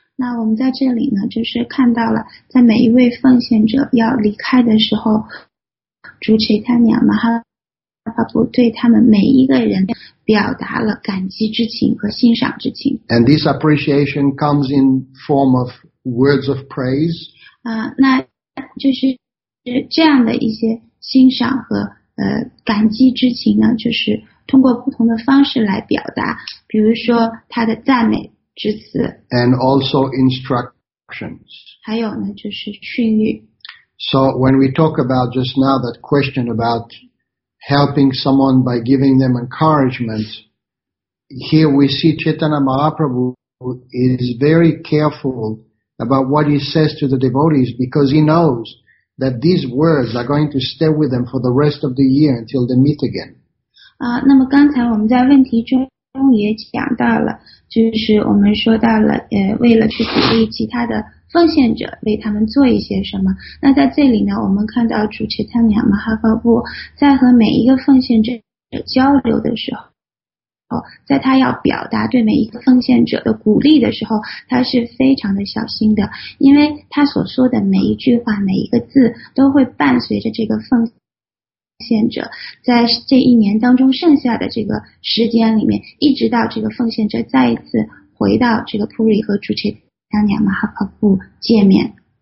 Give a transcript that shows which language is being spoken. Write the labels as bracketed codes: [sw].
[zh] 那我们在这里呢，就是看到了，在每一位奉献者要离开的时候，主 Chaitanya Mahaprabhu 对他们每一个人表达了感激之情和欣赏之情。 [en] And this appreciation comes in form of words of praise. [zh] 那就是这样的一些欣赏和感激之情呢，就是。通过不同的方式来表达，比如说他的赞美之词 [en] ，and also instructions， [zh] 还有呢就是训谕。 [en] So when we talk about just now that question about helping someone by giving them encouragement, here we see Chaitanya Mahaprabhu is very careful about what he says to the devotees because he knows that these words are going to stay with them for the rest of the year until they meet again. [zh] 那么刚才我们在问题中也讲到了，就是我们说到了，为了去鼓励其他的奉献者为他们做一些什么。那在这里呢，我们看到主持他娘马哈佛布在和每一个奉献者交流的时候，在他要表达对每一个奉献者的鼓励的时候，他是非常的小心的，因为他所说的每一句话每一个字都会伴随着这个奉献献者在这一年当中剩下的这个时间里面，一直到这个奉献者再一次回到这个普里和主持当年马哈帕布见面。